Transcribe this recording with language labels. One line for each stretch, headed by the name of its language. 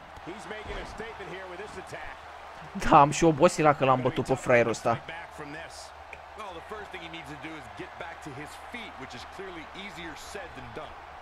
English: He's making a statement here with this attack.
Romanian: Da, am și obosit că l-am bătut pe fraierul ăsta.
English: Well, the first thing he needs to do is get back to his feet, which is clearly easier said than done.